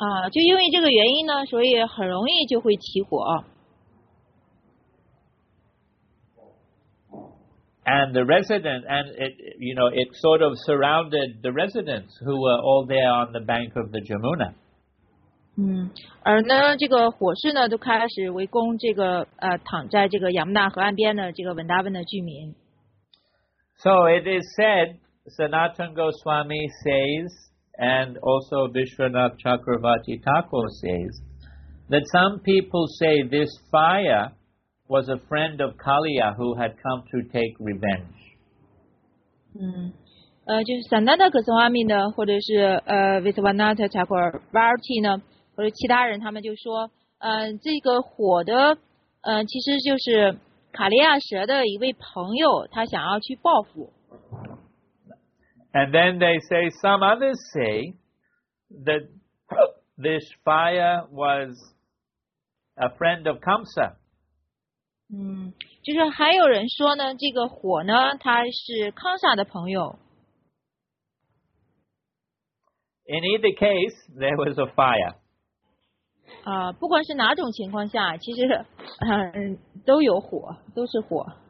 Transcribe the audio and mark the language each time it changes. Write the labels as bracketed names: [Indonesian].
[Chinese] 就因为这个原因呢，所以很容易就会起火。 [English] And the resident, and it, you know, it sort of surrounded the residents who were all there on the bank of the Jamuna. [Chinese] 而呢，这个火势呢，就开始围攻这个躺在这个亚穆纳河岸边的这个文达温的居民。 [English] So it is said. Sanatana Goswami says, and also Vishwanath Chakravarti Thakur says, that some people say this fire was a friend of Kaliya who had come to take revenge. [Chinese] 就是 Sanatana Goswami 呢，或者是Vishwanath Chakravarti 呢，或者其他人，他们就说，这个火的，其实就是卡利亚蛇的一位朋友，他想要去报复。 [English] And then they say, some others say that this fire was a friend of Kamsa. [Chinese] 就是还有人说呢，这个火呢，它是康萨的朋友。 [English] In either case, there was a fire. [Chinese] 不管是哪种情况下，其实都有火，都是火。